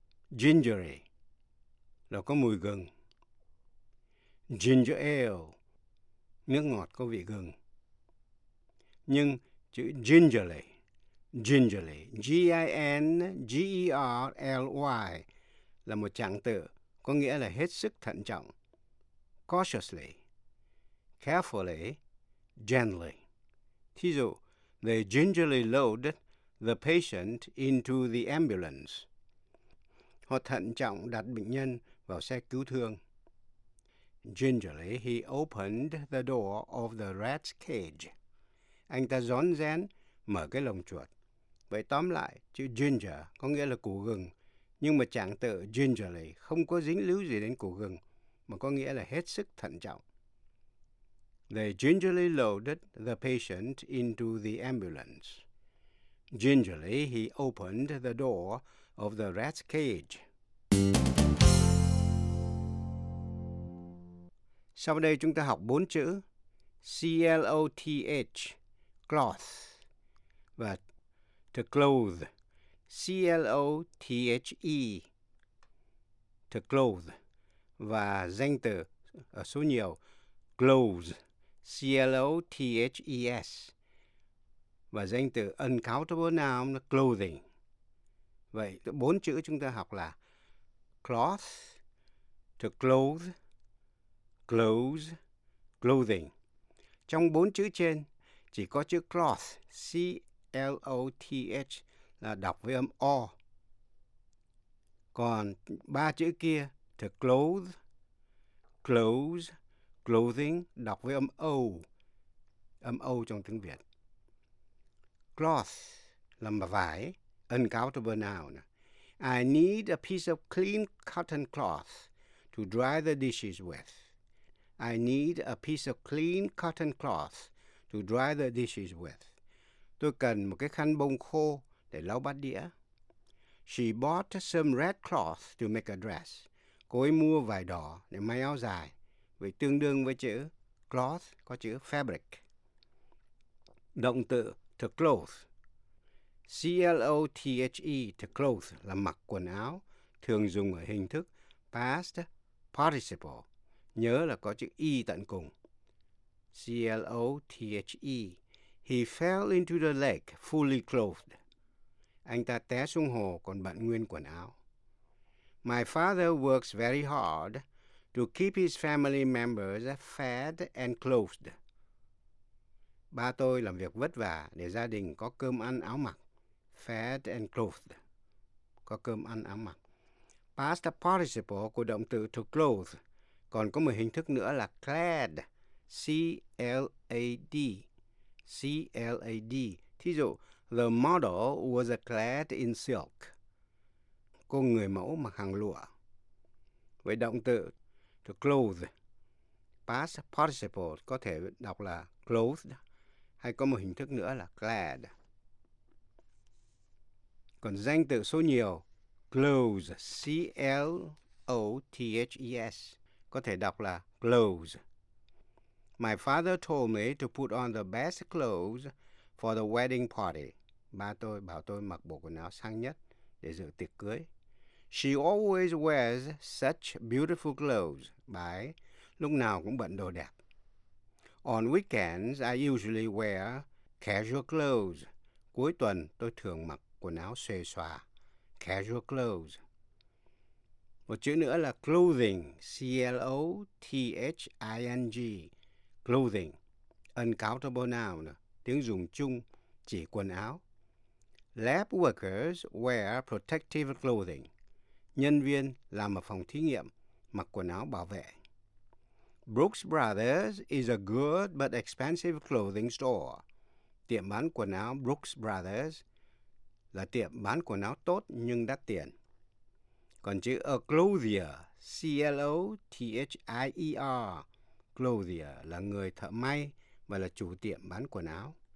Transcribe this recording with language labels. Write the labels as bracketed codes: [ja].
[vi] Gingery, là có mùi gừng. Ginger ale, nước ngọt có vị gừng. Nhưng chữ gingerly, gingerly, G-I-N-G-E-R-L-Y, là một trạng từ có nghĩa là hết sức thận trọng. [en] Cautiously, carefully, gently. [vi] Thí dụ, [en] they gingerly load the patient into the ambulance. [vi] Họ thận trọng đặt bệnh nhân vào xe cứu thương. [en] Gingerly, he opened the door of the rat's cage. [vi] Anh ta rón rén mở cái lồng chuột. Vậy tóm lại, chữ ginger có nghĩa là củ gừng, nhưng mà trạng từ gingerly không có dính líu gì đến củ gừng, mà có nghĩa là hết sức thận trọng. [en] They gingerly loaded the patient into the ambulance. Gingerly, he opened the door of the rat's cage. [vi] Sau đây chúng ta học bốn chữ C-L-O-T-H, cloth, và to clothe, C-L-O-T-H-E, to clothe, và danh từ số nhiều, clothes. C-L-O-T-H-E-S, và danh từ uncountable noun clothing. Vậy bốn chữ chúng ta học là cloth, to clothe, clothes, clothing. Trong bốn chữ trên chỉ có chữ cloth, C-L-O-T-H, là đọc với âm O. Còn ba chữ kia, to clothe, clothes, clothing, đọc với âm O trong tiếng Việt. Cloth là mà vải, uncountable noun. [en] I need a piece of clean cotton cloth to dry the dishes with. I need a piece of clean cotton cloth to dry the dishes with. [vi] Tôi cần một cái khăn bông khô để lau bát đĩa. [en] She bought some red cloth to make a dress. [vi] Cô ấy mua vải đỏ để may áo dài. Vậy tương đương với chữ cloth có chữ fabric. Động từ to clothe. C-L-O-T-H-E, to clothe, là mặc quần áo, thường dùng ở hình thức past participle, nhớ là có chữ E tận cùng. C-L-O-T-H-E. [en] He fell into the lake fully clothed. [vi] Anh ta té xuống hồ còn bận nguyên quần áo. [en] My father works very hard to keep his family members fed and clothed. [vi] Ba tôi làm việc vất vả để gia đình có cơm ăn áo mặc. [en] Fed and clothed. [vi] Có cơm ăn áo mặc. Past participle của động từ to clothe còn có một hình thức nữa là clad. [en] C-L-A-D. C-L-A-D. [vi] Thí dụ, [en] the model was clad in silk. [vi] Cô người mẫu mặc hàng lụa. Với động từ to clothe, past participle có thể đọc là clothed hay có một hình thức nữa là clad. Còn danh từ số nhiều, clothes, C-L-O-T-H-E-S, có thể đọc là clothes. [en] My father told me to put on the best clothes for the wedding party. [vi] Ba tôi bảo tôi mặc bộ quần áo sang nhất để dự tiệc cưới. [en] She always wears such beautiful clothes. [vi] Bà ấy lúc nào cũng bận đồ đẹp. [en] On weekends, I usually wear casual clothes. [vi] Cuối tuần, tôi thường mặc quần áo xuề xòa. Casual clothes. Một chữ nữa là clothing. [en] C-L-O-T-H-I-N-G. Clothing. Uncountable noun. [vi] Tiếng dùng chung, chỉ quần áo. [en] Lab workers wear protective clothing. [vi] Nhân viên làm ở phòng thí nghiệm, mặc quần áo bảo vệ. [en] Brooks Brothers is a good but expensive clothing store. [vi] Tiệm bán quần áo Brooks Brothers là tiệm bán quần áo tốt nhưng đắt tiền. Còn chữ a clothier, C-L-O-T-H-I-E-R, clothier là người thợ may và là chủ tiệm bán quần áo.